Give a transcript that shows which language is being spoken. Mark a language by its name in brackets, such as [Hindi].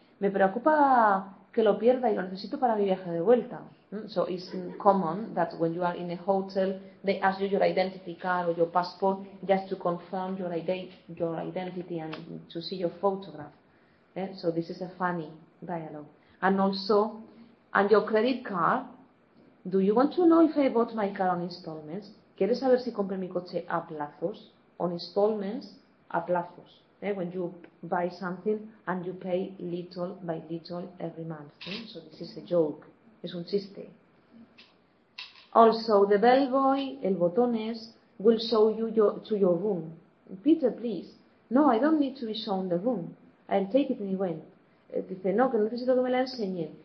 [Spanish] Me preocupa que lo pierda y lo necesito para mi viaje de vuelta. [English] So it's common that when you are in a hotel, they ask you your identity card or your passport just to confirm your identity and to see your photograph. Yeah? So this is a funny dialogue. And also, and your credit card, do you want to know if I bought my car on installments? [Spanish] ¿Quieres saber si compré mi coche a plazos? [English] On installments, [Spanish] a plazos. [English] Yeah? When you buy something and you pay little by little every month. Yeah? So this is a joke. [Spanish] Es un chiste. [English] Also, the bellboy, [Spanish] el botones, [English] will show you to your room. Peter, please. No, I don't need to be shown the room. I'll take it anyway. [Spanish] Dice, no, que necesito que me la enseñe.